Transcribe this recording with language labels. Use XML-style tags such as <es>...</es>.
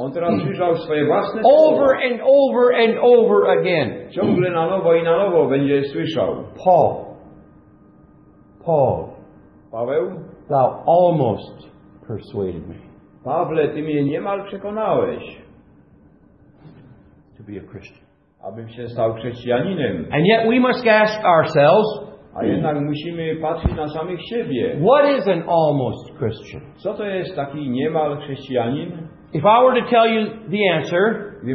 <pl>On teraz słyszał swoje własne</pl> <en>over</en> <pl>słowa.</pl> <en>And over and over again.</en> <pl>Ciągle na nowo i na nowo będzie słyszał.</pl> <en>Paul. Paul.</en> <pl>Paweł.</pl> <en>Thou almost persuaded me.</en> <pl>Pawle, ty mnie niemal przekonałeś,</pl> <en>to be a Christian.</en> <pl>Abym się stał chrześcijaninem.</pl> <en>And yet we must ask ourselves,</en> <pl>a jednak musimy patrzeć na samych siebie.</pl> <en>What is an almost Christian?</en> <pl>Co to jest taki niemal chrześcijanin?</pl> <en>If I were to tell you the answer,</en>